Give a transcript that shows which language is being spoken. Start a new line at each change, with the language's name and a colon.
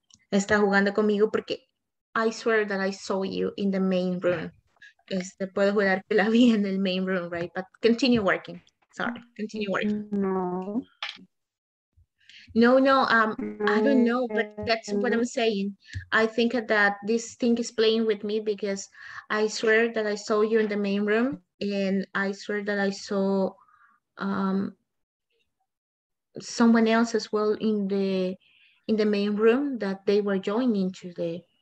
Spanish: Está jugando conmigo porque
English: I swear that I saw you in the main room.
Spanish: Este, puedo jurar que la vi en el main room, right?
English: But continue working. Sorry, continue working. No. No, no, I don't know, but that's what I'm saying. I think that this thing is playing with me because I swear that I saw you in the main room, and I swear that I saw someone else as well in the main room that they were joining today.